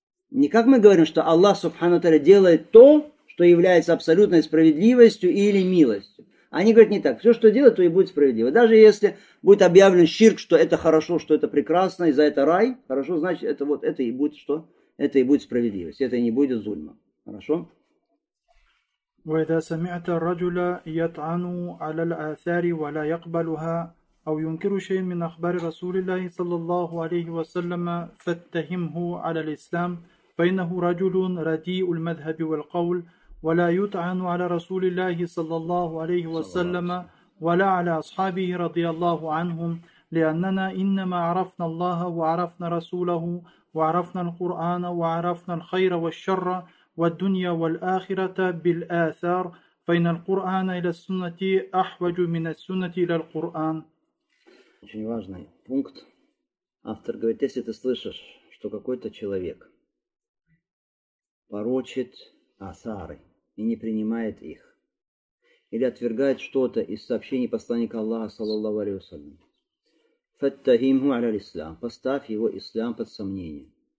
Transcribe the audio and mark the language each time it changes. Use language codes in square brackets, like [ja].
[ru] Не как мы говорим, что Аллах Субхану Та'аля делает то, что является абсолютной справедливостью или милостью. Они говорят не так. Все, что делают, то и будет справедливо. Даже если будет объявлен ширк, что это хорошо, что это прекрасно, и за это рай, хорошо, значит, это вот это и будет что? Это и будет справедливость. Это и не будет зульма. Хорошо? [ar] وَإِذَا سَمِعْتَ الرَّجُلَ يَطْعَنُ عَلَى الْآثَارِ وَلَا يَقْبَلُهَا أَوْ يُنْكِرُ شَيْءٍ مِنْ أَخْبَارِ رَسُولِ اللَّهِ صَلَّى اللَّهُ عَلَيْهِ وَسَلَّمَ فَاتَّهِمْهُ عَلَى الْإِسْلَامِ فَإِنَّهُ رَجُلٌ رَدِيءُ الْمَذْهَبِ وَالْقَوْلِ ولا يطعن على رسول الله صلى الله عليه وسلم ولا على أصحابه رضي الله عنهم لأننا إنما عرفنا الله وعرفنا رسوله وعرفنا القرآن وعرفنا الخير والشر والدنيا والآخرة بالآثار فإن القرآن إلى السنة أحوج من السنة إلى القرآن. [ru] Очень важный пункт. Автор говорит, если ты слышишь, что какой-то человек порочит асары и не принимает их, или отвергает что-то из сообщений посланника Аллаха, саллаллаху алейхи ва саллям, [ar] фаттахимху аля ислам, [ru] поставь его ислам под сомнение.